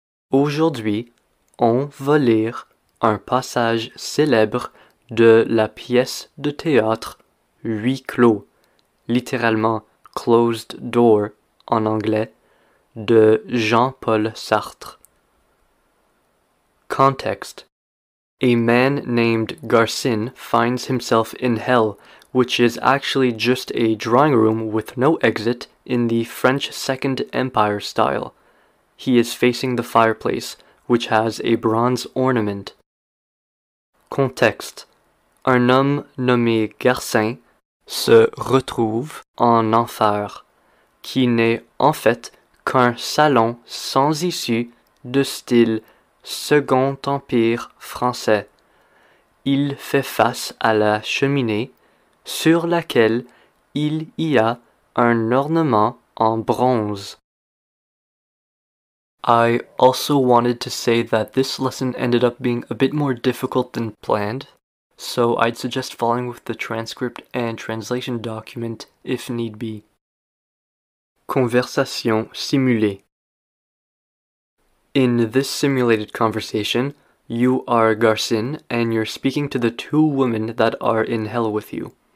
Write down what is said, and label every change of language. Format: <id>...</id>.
<fr>Aujourd'hui, on va lire un passage célèbre de la pièce de théâtre Huis clos, littéralement</fr> <en>Closed Door</en> <fr>en anglais, de Jean-Paul Sartre.</fr> <en>Context. A man named Garcin finds himself in hell, which is actually just a drawing room with no exit in the French Second Empire style. He is facing the fireplace, which has a bronze ornament.</en> <fr>Contexte. Un homme nommé Garcin se retrouve en enfer, qui n'est en fait qu'un salon sans issue de style Second Empire français. Il fait face à la cheminée sur laquelle il y a un ornement en bronze.</fr> <en>I also wanted to say that this lesson ended up being a bit more difficult than planned, so I'd suggest following with the transcript and translation document if need be.</en> <fr>Conversation simulée.</fr> <en>In this simulated conversation, you are Garcin and you're speaking to the two women that are in hell with you.</en>